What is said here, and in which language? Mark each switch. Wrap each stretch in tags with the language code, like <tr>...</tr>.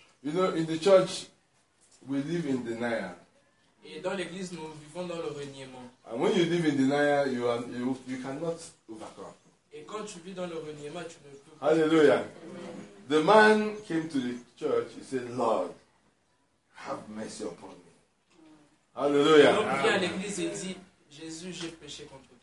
<en>You know, in the church, we live in denial.</en> <fr>Et dans l'église, nous vivons dans le reniement.</fr> <en>And when you live in denial, you cannot overcome.</en> <fr>Et quand tu vis dans le reniement, tu ne peux pas.</fr> <en>Hallelujah. Amen. The man came to the church. He said, Lord, have mercy upon me. Hallelujah.</en> <fr>L'homme vient à l'église et dit, Jésus, j'ai péché contre toi.</fr>